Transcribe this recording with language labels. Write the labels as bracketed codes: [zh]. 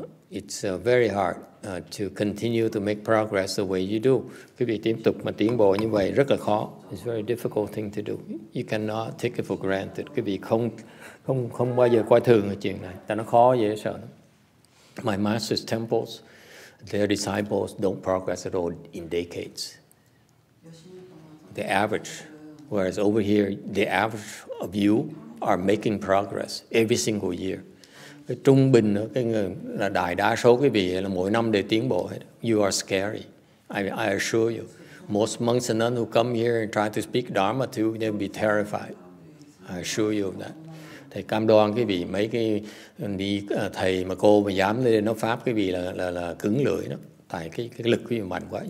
[en] It's very hard to continue to make progress the way you do. [vi] Quý vị tiếp tục mà tiến bộ như vậy rất là khó. [en] It's a very difficult thing to do. You cannot take it for granted. [vi] Quý vị không bao giờ coi thường cái chuyện này. Tại nó khó dễ sợ. [en] My master's temples, their disciples don't progress at all in decades. the average. Whereas over here, the average of you are making progress every single year. [vi] Cái trung bình đó, cái người là đại đa số quý vị là mỗi năm đều tiến bộ hết. [en] You are scary. I assure you. Most monks and nuns who come here and try to speak Dharma to you, they'll be terrified. I assure you of that. [vi] Thầy cam đoan quý vị mấy cái đi thầy mà cô mà dám lên nó pháp quý vị là cứng lưỡi đó. Tại cái lực quý vị mạnh quá.